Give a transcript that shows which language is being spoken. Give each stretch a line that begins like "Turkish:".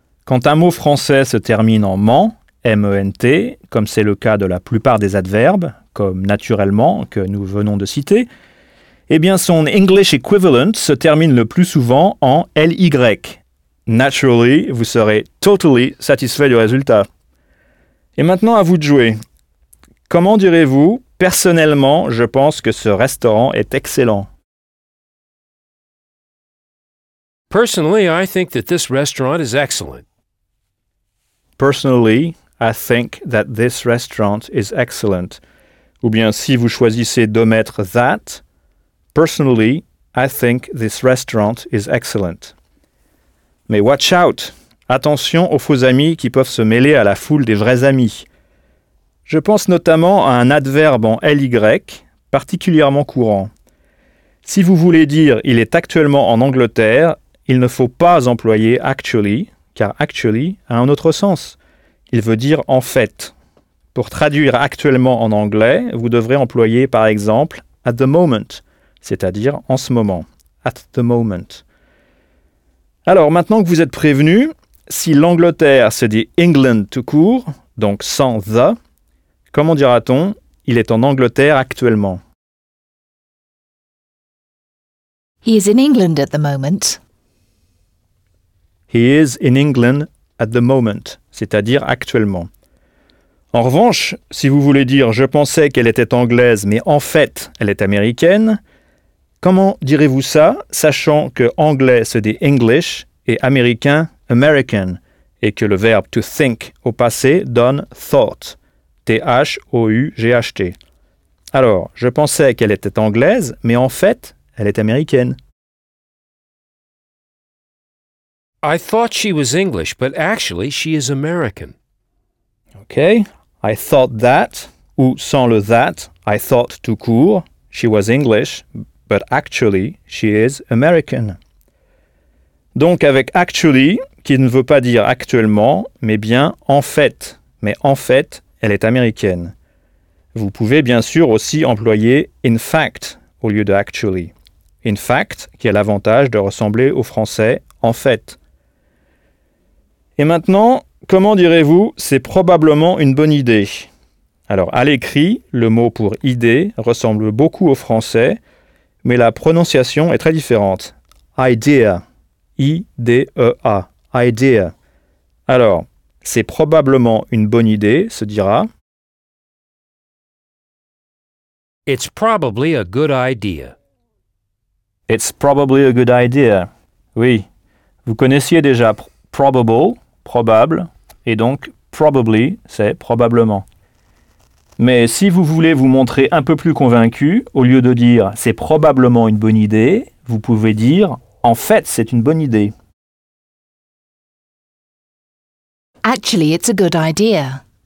French: Quand un mot français se termine en « ment », M-E-N-T, comme c'est le cas de la plupart des adverbes, comme « naturellement » que nous venons de citer, eh bien son «
English: English equivalent
French: » se termine le plus souvent en « L-Y ». Naturally, vous serez « totally » satisfait du résultat. Et maintenant, à vous de jouer. Comment direz-vous « personnellement, je pense que ce restaurant est excellent » ?
English: Personally, I think that this restaurant is excellent. Personally, I think that this restaurant is excellent.
French: Ou bien si vous choisissez d'omettre that,
English: personally, I think this restaurant is excellent.
French: Mais
English: watch out!
French: Attention aux faux amis qui peuvent se mêler à la foule des vrais amis. Je pense notamment à un adverbe en LY, particulièrement courant. Si vous voulez dire il est actuellement en Angleterre, il ne faut pas employer actually, car actually a un autre sens. Il veut dire en fait. Pour traduire actuellement en anglais, vous devrez employer par exemple
English: at the moment,
French: c'est-à-dire en ce moment.
English: At the moment.
French: Alors maintenant que vous êtes prévenu, si l'Angleterre se dit England tout court, donc sans the, comment dira-t-on il est en Angleterre actuellement?
English: He is in England at the moment. He is in England at the moment,
French: c'est-à-dire actuellement. En revanche, si vous voulez dire « je pensais qu'elle était anglaise, mais en fait, elle est américaine », comment direz-vous ça, sachant que « anglais » se dit « English » et « américain » « American » et que le verbe « to think » au passé donne « thought » T-H-O-U-G-H-T. Alors, « je pensais qu'elle était anglaise, mais en fait, elle est américaine ».
English: I thought she was English, but actually she is American. Okay, I thought that,
French: ou sans le
English: that, I thought
French: tout court,
English: she was English, but actually she is American.
French: Donc avec actually, qui ne veut pas dire actuellement, mais bien en fait, elle est américaine. Vous pouvez bien sûr aussi employer in fact au lieu de actually.
English: In fact,
French: qui a l'avantage de ressembler au français en fait. Et maintenant, comment direz-vous « c'est probablement une bonne idée » ? Alors, à l'écrit, le mot pour « idée » ressemble beaucoup au français, mais la prononciation est très différente. « Idea », I-D-E-A, « idea ». Alors, « c'est probablement une bonne idée » se dira.
English: It's probably a good idea. It's probably a good idea.
French: Oui, vous connaissiez déjà « probable ». Probable, et donc probably, c'est probablement. Mais si vous voulez vous montrer un peu plus convaincu, au lieu de dire c'est probablement une bonne idée, vous pouvez dire en fait c'est une bonne idée.
English: Actually, it's a good idea.